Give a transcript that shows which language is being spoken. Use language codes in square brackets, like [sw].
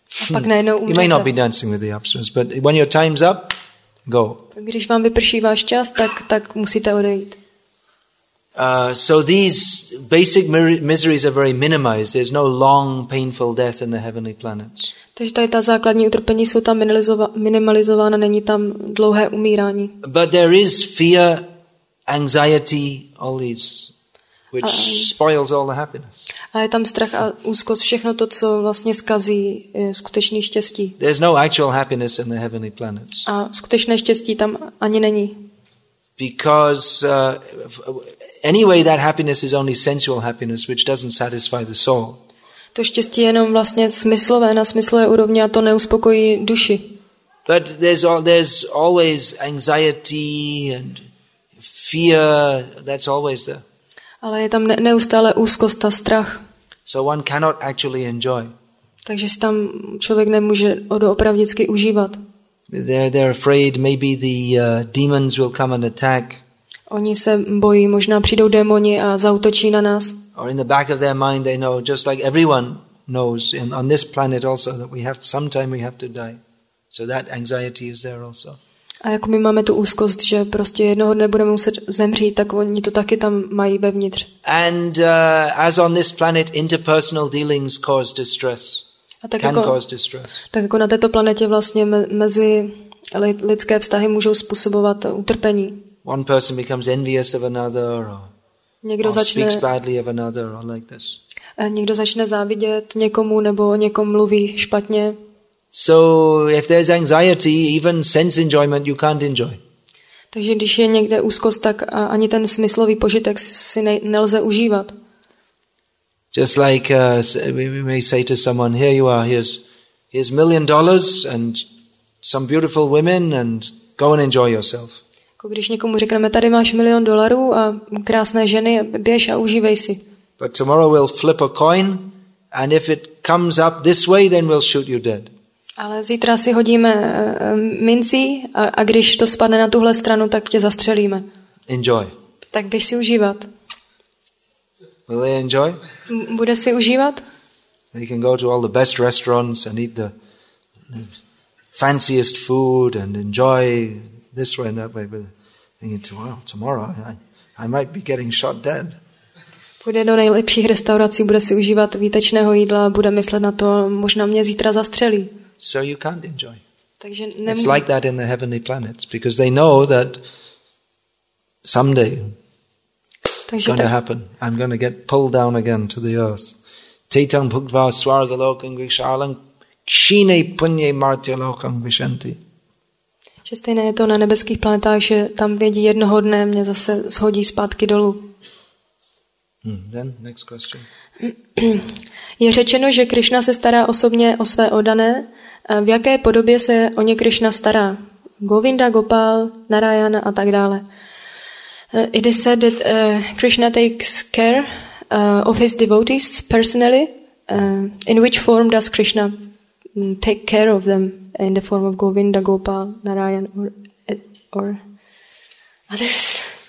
[cs] A pak najednou umřete. [en] You may not be dancing with the apsaras, but when your time's up, go. [cs] Když vám vyprší váš čas, tak musíte odejít. [en] So these basic miseries are very minimized. There's no long painful death in the heavenly planets. [cs] Takže tady ta základní utrpení jsou tam minimalizována, není tam dlouhé umírání. [en] But there is fear, anxiety, all these which spoils all the happiness. [cs] A je tam strach a úzkost, všechno to, co vlastně zkazí skutečný štěstí. [en] There's no actual happiness in the heavenly planets. [cs] A skutečné štěstí tam ani není. [en] Because anyway that happiness is only sensual happiness which doesn't satisfy the soul. [cs] To štěstí je jenom vlastně smyslové na smyslové úrovni a to neuspokojí duši. [en] But there's always anxiety and fear, that's always there. [cs] Ale je tam neustále úzkost a strach. [en] So one cannot actually enjoy. [cs] Takže si tam člověk nemůže doopravdicky užívat. [en] They're afraid maybe the demons will come and attack. [cs] Oni se bojí, možná přijdou démoni a zaútočí na nás. [en] Or in the back of their mind they know, just like everyone knows on this planet also, that sometime we have to die. So that anxiety is there also. [cs] A jako my máme tu úzkost, že prostě jednoho dne budeme muset zemřít, tak oni to taky tam mají vevnitř. [en] And as on this planet, interpersonal dealings cause distress. [cs] Tak jako na této planetě vlastně mezi lidské vztahy můžou způsobovat utrpení. [en] One person becomes envious of another, or speaks badly of another, or like this. [cs] Někdo začne závidět někomu nebo někomu mluví špatně. [en] So if there's anxiety, even sense enjoyment you can't enjoy. [cs] Takže když je někde úzkost, tak ani ten smyslový požitek si nelze užívat. [en] Just like we may say to someone, here you are, here's $1 million and some beautiful women and go and enjoy yourself. [cs] Když někomu řekneme, tady máš $1 million a krásné ženy, běž a užívej si. [en] But tomorrow we'll flip a coin and if it comes up this way, then we'll shoot you dead. [cs] Ale zítra si hodíme mincí a když to spadne na tuhle stranu, tak tě zastřelíme. [en] Enjoy. [cs] Tak běž si užívat. [en] Will they enjoy? [cs] Bude si užívat? [en] They can go to all the best restaurants and eat the fanciest food and enjoy this way and that way, but thinking, well, tomorrow I might be getting shot dead. [cs] Bude do nejlepších restaurací, bude si užívat výtečného jídla, bude myslet na to, možná mě zítra zastřelí. [en] So you can't enjoy. [cs] Takže [en] it's like that in the heavenly planets, because they know that someday it's going to happen. I'm going to get pulled down again to the earth. [sa] Tetang bhuktva swargalokam vishalam kshine punye martyalokam vishanti. [cs] Že stejné je to na nebeských planetách, že tam vědí jednoho dne mě zase shodí zpátky dolů. [en] Then next question. [cs] Je řečeno, že Krišna se stará osobně o své oddané. V jaké podobě se o ně Krišna stará? Govinda, Gopal, Narayana a tak dále. [en] It is said that Krishna takes care of his devotees personally. In which form does Krishna take care of them? In the form of Govinda, Gopal, Narayana or others?